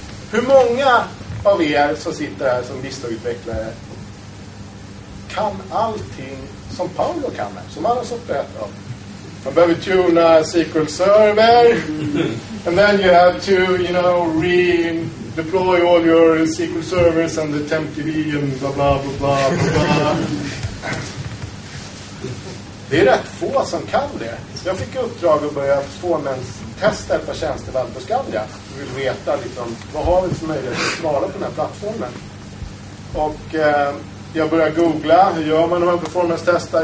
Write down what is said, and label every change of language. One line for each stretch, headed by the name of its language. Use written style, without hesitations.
Swedish: Hur många av er som sitter här som Bistock-utvecklare kan allting som Paolo kan med, som alla som berättar om? Man behöver tuna SQL Server.
English: And then you have to, you know, redeploy all your SQL servers and the TempDB and blah, blah, blah, blah, blah.
Swedish: Det är rätt få som kan det. Jag fick uppdrag att börja performance-testa ett par tjänster väl på Skandia. Jag vill veta, liksom, vad har vi för möjlighet att svara på den här plattformen? Och jag börjar googla. Hur gör man de här performance-testar?